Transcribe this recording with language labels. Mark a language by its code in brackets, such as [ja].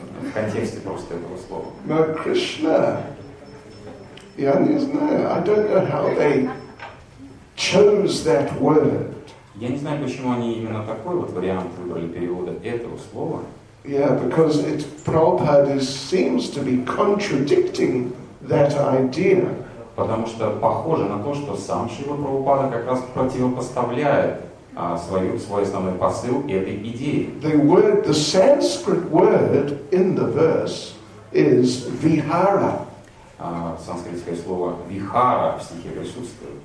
[ru] В контексте просто этого слова. Но Кришна, я не знаю, [en] I don't know how they chose that word. [ru] Я не знаю, почему они именно такой вот вариант выбрали перевода этого слова. [en] Yeah, because it Prabhupada seems to be contradicting that idea. [ru] Потому что похоже на то, что сам Шрила Прабхупада как раз противопоставляет свой основной посыл этой идее. [en] The word, the Sanskrit word in the verse is vihara. [ru] Санскритское слово «вихара» в стихе присутствует.